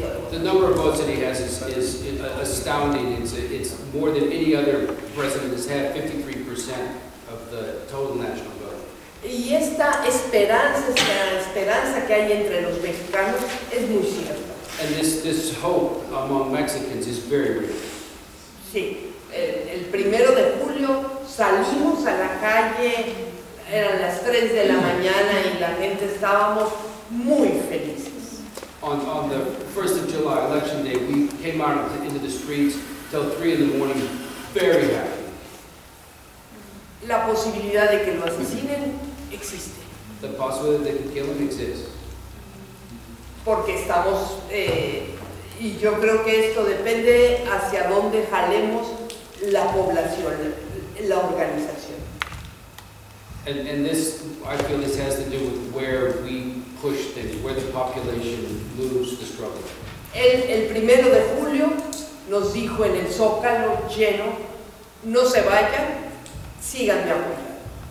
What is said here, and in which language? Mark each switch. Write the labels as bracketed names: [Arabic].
[English] The number of votes that he has is astounding. It's more than any other president has had, 53% of the total national vote. [Spanish] Y esta esperanza que hay entre los mexicanos es muy cierta. [English] And this hope among Mexicans is very real. [Spanish] Sí, el primero de julio salimos a la calle, eran las 3 de la mañana y la gente estábamos muy felices. [English] On the 1st of July, election day, we came out into the streets till 3 in the morning, very happy. [Spanish] La posibilidad de que lo asesinen existe. [English] The possibility that they can kill him exists. [Spanish] Porque estamos, y yo creo que esto depende hacia dónde jalemos la población, la organización. [English] And this, I feel this has to do with where we push things, where the population moves the struggle. [Spanish] El primero de julio nos dijo en el Zócalo lleno, no se vayan, síganme apoyando.